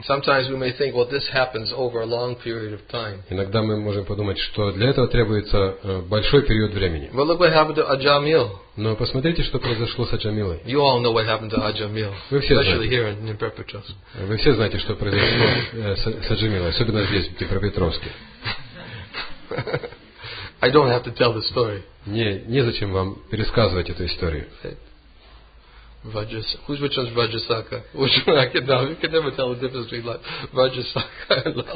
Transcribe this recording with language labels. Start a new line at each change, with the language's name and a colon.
English: Sometimes we may think, well, this happens over a long period of time.
Russian: Иногда мы можем подумать, что для этого требуется большой период времени.
English: But look what happened to Ajamil.
Russian: Но посмотрите, что произошло с Аджамилой.
English: You all know what happened to Ajamil.
Russian: Вы все
English: especially
Russian: знаете.
English: Here in Днепропетровск.
Russian: Вы все знаете, что произошло с Аджамилой, особенно здесь, в Днепропетровске.
English: I don't have to tell the story.
Russian: Не зачем вам пересказывать эту историю.
English: Which one's Vajrasaka? Which one? You can never tell the difference between like Vajrasaka and Lal Krishna.